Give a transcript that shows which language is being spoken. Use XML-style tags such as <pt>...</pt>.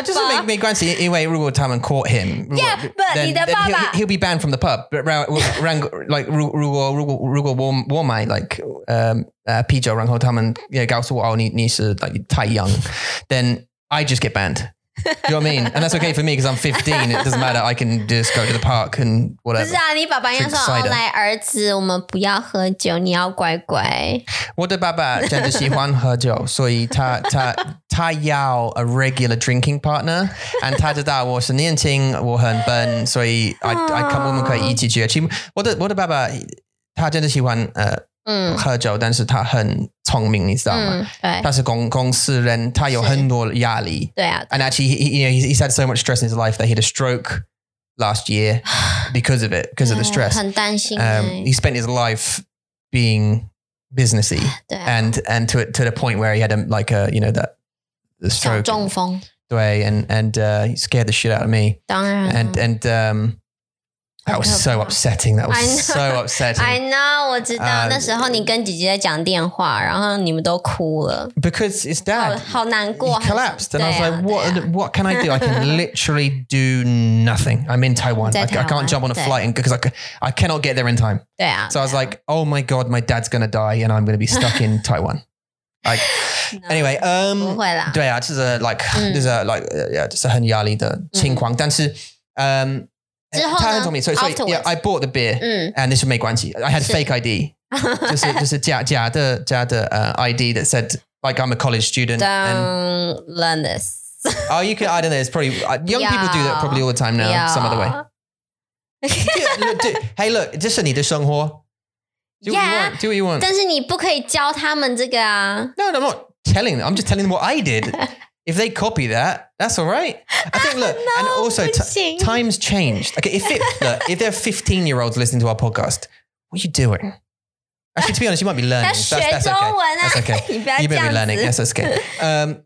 <en>That doesn't make me grumpy. Anyway, if someone caught him, he'll be banned from the pub. But like, Pijo, and then they tell me, "Oh, you're too young." Then I just get banned. Do you know what I mean? And that's okay for me because I'm 15. It doesn't matter. I can just go to the park and whatever.</en> <zh>不是啊，你爸爸应该说：“哦，来，儿子，我们不要喝酒，你要乖乖。” 我的爸爸真的喜欢喝酒，所以他要</zh> <en>a regular drinking partner, and</en> <zh>他知道我是年轻，我很笨，所以</zh> <en>I come</en> <zh>我们可以一起去。其实我的爸爸他真的喜欢喝酒，但是他很聪明，你知道吗？对，他是公司人，他有很多压力。对啊</zh> <en>，and actually he, you know, he's had so much stress in his life that he had a stroke last year because of it, because of the stress.</en> <zh>很担心。</zh> <en>He spent his life being businessy,</en> <zh>对啊</zh> <en>and to the point where he had the stroke,</en> <zh>中风。</zh> <en>对 and he scared the shit out of me.</en> <zh>当然。</zh> <en>And That was so upsetting. That was so upsetting.</en> <zh>I know, 我知道那时候你跟姐姐在讲电话，然后你们都哭了。</zh> <en>Because it's dad.</en> <zh>好难过。</zh> <en>He collapsed, and I was like, "What can I do? I can literally do nothing. I'm in Taiwan. I can't jump on a flight because I cannot get there in time.</en> <zh>对啊。</zh> <en>So I was like, "Oh my god, my dad's gonna die, and I'm gonna be stuck in Taiwan." Like, anyway,</en> <zh>不会啦。对啊，这是这是很压力的情况，但是之后呢</zh> <en>so yeah, I bought the beer and this was</en> <zh>没关系</zh> <en>I had a fake ID</en> <zh>就是假的 ID</zh> <en>that said like I'm a college student learn this oh you could I don't know it's probably young people do that probably all the time now some other way hey look</en> <zh>这是你的生活</zh> <en>do what you want</en> <zh>但是你不可以教他们这个啊</zh> <en>no I'm not telling them I'm just telling them what I did If they copy that, that's all right. I think, look, no, and also time's changed. Okay, if there are 15-year-olds listening to our podcast, what are you doing? Actually, to be honest, you might be learning. That's okay. That's okay. You may be learning. Yes, that's okay.</en>